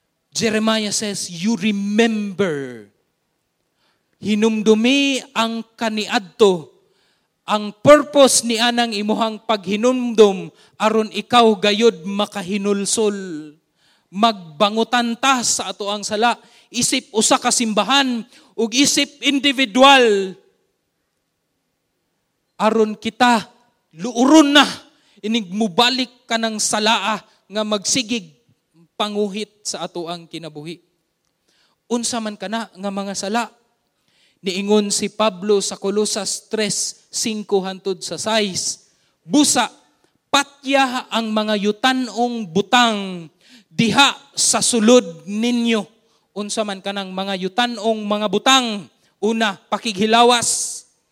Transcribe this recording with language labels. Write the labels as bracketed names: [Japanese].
[English] Jeremiah says, you remember. [Cebuano] Hinumdumi ang kaniadto. Ang purpose ni anang imuhang paghinumdum aron ikaw gayod makahinulsol. Magbangutan ta sa ato ang sala. Isip usa ka simbahan ug isip individual. Aron kita luuron na inig mubalik ka ng salaa nga magsigig panguhit sa ato ang kinabuhi. Unsa man kana nga mga sala? Niingon si Pablo sa Colossians 3:5-6, busa patya ang mga yutanong butang diha sa sulod ninyo. Unsa man kanang mga yutanong mga butang? Una, pakighilawas.